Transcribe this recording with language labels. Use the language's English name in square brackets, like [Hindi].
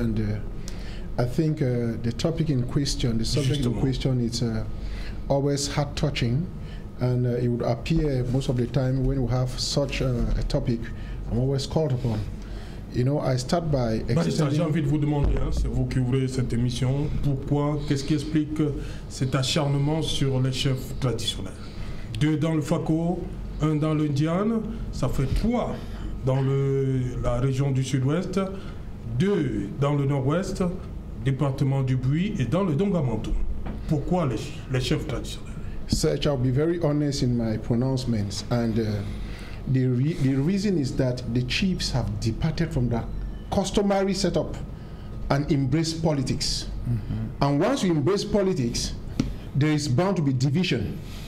[English] And I think the topic in question, the subject in question, is always heart-touching. And it would appear most of the time when we have such a topic, I'm always called upon. You know, I start by extending... [French] J'ai envie de vous demander, hein, c'est vous qui ouvrez cette émission, pourquoi, qu'est-ce qui explique cet acharnement sur les chefs traditionnels? Deux dans le Fako, un dans l'Indiane, ça fait trois dans la région du Sud-Ouest, deux dans le Nord-Ouest, département du Buis et dans le Dongamantou. Pourquoi les chefs traditionnels? [English] Serge, I'll be very honest in my pronouncements and... The reason is that the chiefs have departed from that customary setup and embraced politics. Mm-hmm. And once you embrace politics, there is bound to be division.